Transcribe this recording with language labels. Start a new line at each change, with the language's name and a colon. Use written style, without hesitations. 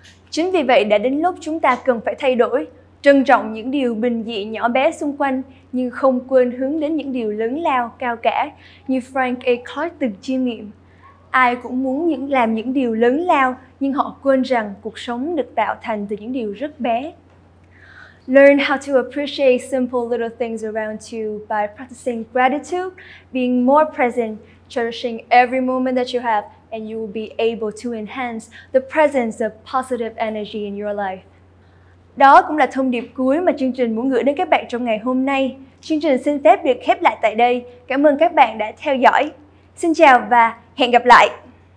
Vietnamese: Chính vì vậy đã đến lúc chúng ta cần phải thay đổi, trân trọng những điều bình dị nhỏ bé xung quanh, nhưng không quên hướng đến những điều lớn lao, cao cả, như Frank A. Clark từng chiêm nghiệm. Ai cũng muốn làm những điều lớn lao, nhưng họ quên rằng cuộc sống được tạo thành từ những điều rất bé.
English: Learn how to appreciate simple little things around you by practicing gratitude, being more present, cherishing every moment that you have, and you will be able to enhance the presence of positive energy in your life.
Vietnamese: Đó cũng là thông điệp cuối mà chương trình muốn gửi đến các bạn trong ngày hôm nay. Chương trình xin phép được khép lại tại đây. Cảm ơn các bạn đã theo dõi. Xin chào và hẹn gặp lại!